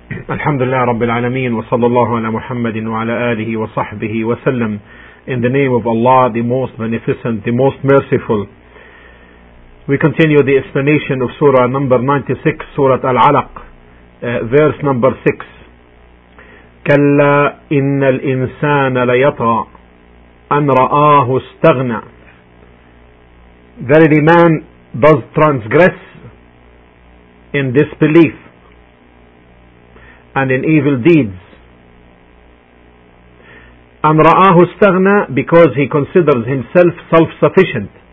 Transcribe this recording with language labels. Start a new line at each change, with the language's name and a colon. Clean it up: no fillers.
Arabic: الحمد لله رب العالمين وصلى الله على محمد وعلى آله وصحبه وسلم.
English: In the name of Allah, the most beneficent, the most merciful. We continue the explanation of Surah number 96, Surah Al-Alaq, verse number 6.
Arabic: كلا إن الإنسان ليطغى أن رآه استغنى.
English: Verily man does transgress in disbelief and in evil deeds.
Arabic: أن رآه استغنى,
English: because he considers himself self-sufficient.